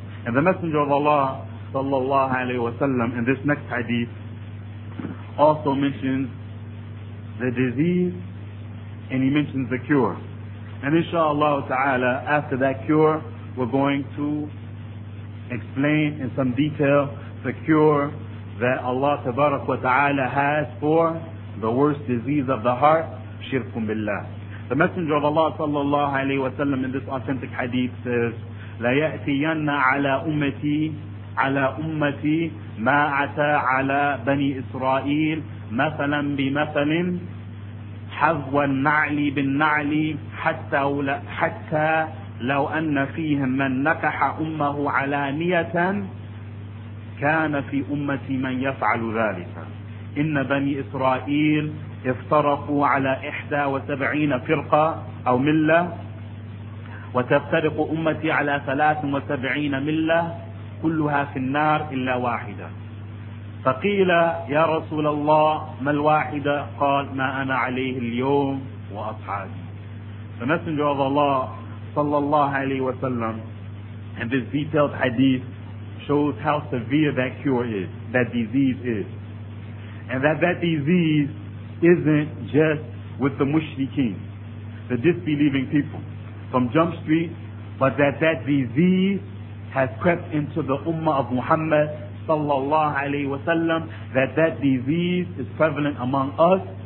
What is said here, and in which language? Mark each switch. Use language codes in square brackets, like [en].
[en] And the Messenger of Allah sallallahu alayhi wa sallam in this next hadith also mentions the disease and he mentions the cure. And inshallah ta'ala, after that cure, we're going to explain in some detail the cure that Allah tabarak wa ta'ala has for the worst disease of the heart, shirkun billah. The Messenger of Allah sallallahu alayhi wa sallam in this authentic hadith says [ar] لَيَأْتِيَنَّ عَلَى أُمَّتِي مَا عَتَى عَلَى بَنِي إِسْرَائِيلِ مَثَلًا بِمَثَلٍ حَذْوَ النَّعْلِ بِالنَّعْلِ حَتَّى لَوْ أَنَّ فِيهِمْ مَنْ نَكَحَ أُمَّهُ عَلَانِيَةً كَانَ فِي أُمَّتِي مَنْ يَفْعَلُ ذَلِكَ إِنَّ بَنِي إِسْرَائِيلِ افْتَرَقُوا عَلَى 71 فِرْقَةً أَوْ مِلَّةً وتفترق أمتي على 73 ملة كلها في النار إلا واحدة. فقيل يا رسول الله ما الواحدة؟ قال ما أنا عليه اليوم وأصحابي. [en] The Messenger of Allah صلى الله عليه وسلم in this detailed hadith shows how severe that cure is, that disease is. And that disease isn't just with the mushrikeen, the disbelieving people from Jump Street, but that disease has crept into the ummah of Muhammad sallallahu alayhi wa sallam, that disease is prevalent among us,